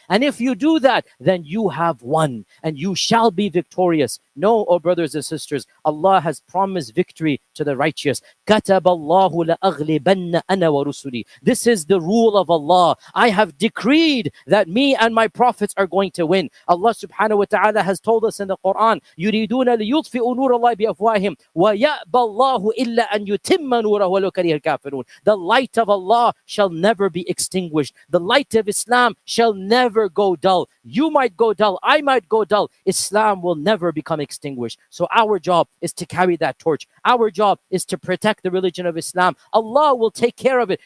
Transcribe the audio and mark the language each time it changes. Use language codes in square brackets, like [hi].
[en] And if you do that, then you have won, and you shall be victorious. Know, O brothers and sisters, Allah has promised victory to the righteous. [ar] كَتَبَ اللَّهُ لَأَغْلِبَنَّ أَنَا وَرُسُلِي. [en] This is the rule of Allah. I have decreed that me and my prophets are going to win. Allah subhanahu wa ta'ala has told us in the Quran, [ar] يُرِيدُونَ لِيُطْفِئُ نُورَ اللَّهِ بِأَفْوَاهِمْ وَيَأْبَ اللَّهُ إِلَّا أَنْ يُتِمَّ نُورَهُ وَلَوْ كَرِهَ الْكَافِرُونَ. [en] The light of Allah shall never be extinguished. The light of Islam shall never go dull. You might go dull. I might go dull. Islam will never become extinguished. So our job is to carry that torch. Our job is to protect the religion of Islam. Allah will take care of it.